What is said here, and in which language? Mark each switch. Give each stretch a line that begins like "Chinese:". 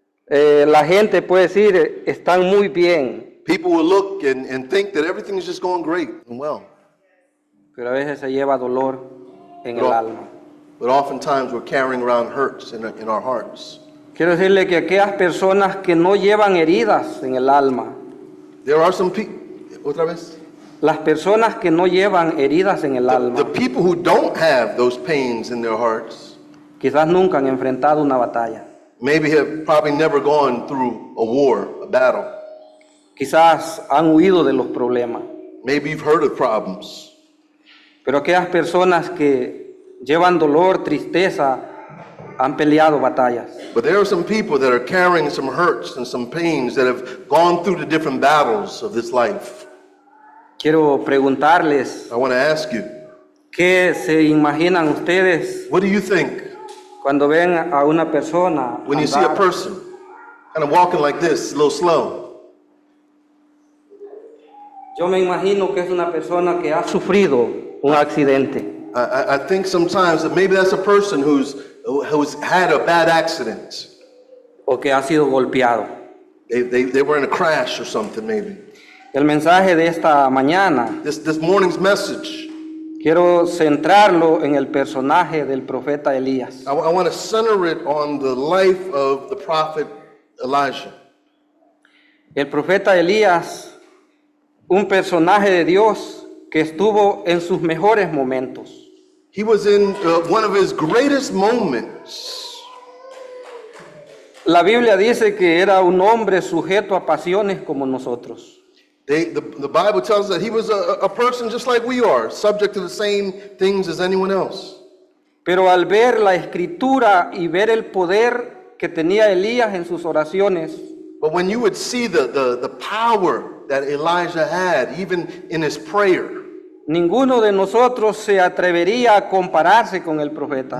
Spanish: La gente puede decir, están muy bien.
English: People will look and think that everything is just going great and well.
Spanish: Pero a veces se lleva dolor en el alma.
English: But oftentimes we're carrying around hurts in our hearts.
Spanish: Quiero decirle que aquellas personas que no llevan heridas en el alma.
English: There are some people.
Spanish: Otra vez. Las personas que no llevan heridas en el alma.
English: The people who don't have those pains in their hearts.
Spanish: Quizás nunca han enfrentado una batalla.
English: Maybe have probably never gone through a war, a battle.
Spanish: Quizás han huido de los problemas.
English: Maybe you've heard of problems.
Spanish: Pero aquellas personas que llevan dolor, tristeza, han peleado batallas.
English: But there are some people that are carrying some hurts and some pains that have gone through the different battles of this life.
Spanish: Quiero preguntarles.
English: I want to ask you.
Spanish: ¿Qué se imaginan ustedes?
English: What do you think?
Spanish: Cuando ven a una persona.
English: When you see a person kind of walking like this, a little slow.
Spanish: Yo me imagino que es una persona que ha sufrido un accidente.
English: I think sometimes that maybe that's a person who's had a bad accident.
Spanish: O que ha sido golpeado.
English: They were in a crash or something maybe.
Spanish: El mensaje de esta mañana.
English: This morning's message.
Spanish: Quiero centrarlo en el personaje del profeta Elías.
English: I want to center it on the life of the prophet Elijah.
Spanish: El profeta Elías. Un personaje de Dios que estuvo en sus mejores momentos.
English: He was in one of his greatest moments.
Spanish: La Biblia dice que era un hombre sujeto a pasiones como nosotros.
English: The Bible tells us that he was a person just like we are, subject to the same things as anyone else.
Spanish: Pero al ver la escritura y ver el poder que tenía Elías en sus oraciones.
English: But when you would see the power that Elijah had, even in his prayer.
Spanish: Ninguno de nosotros se atrevería a compararse con el profeta.